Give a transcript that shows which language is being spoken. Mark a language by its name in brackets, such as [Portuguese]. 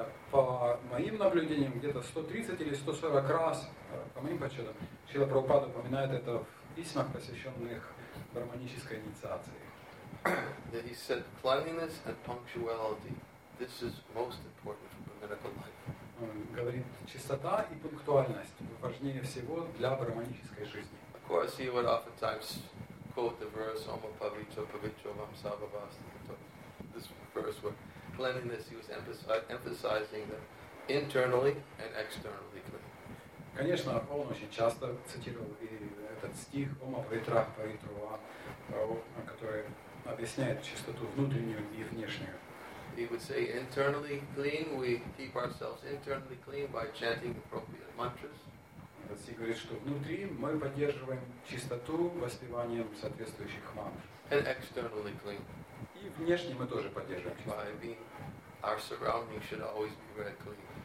[Russian] По моим наблюдениям, где-то 130 или 140 раз, по моим подсчетам, Шрила Прабхупада упоминает это в письмах, посвященных брахманической инициации. [English] That he said cleanliness and punctuality, this is most important for brahmanical life. [Russian] Говорит, чистота и пунктуальность важнее всего для брахманической жизни. [English] Of course, he would oftentimes quote the verse Om Pavitra Pavitra Vam Sabhavastu. This verse, where cleanliness, he was emphasizing that internally and externally clean. [Russian] Конечно, он очень часто цитировал и этот стих Омапавитра Павитрува, который объясняет чистоту внутреннюю и внешнюю. [English] He would say, internally clean, we keep ourselves internally clean by chanting appropriate mantras. [Russian] Этот стих говорит, что внутри мы поддерживаем чистоту воспеванием соответствующих мантр. [English] And externally clean. [Russian] И внешне мы тоже поддерживаем чистоту. [English] By being, our surroundings should always be very clean.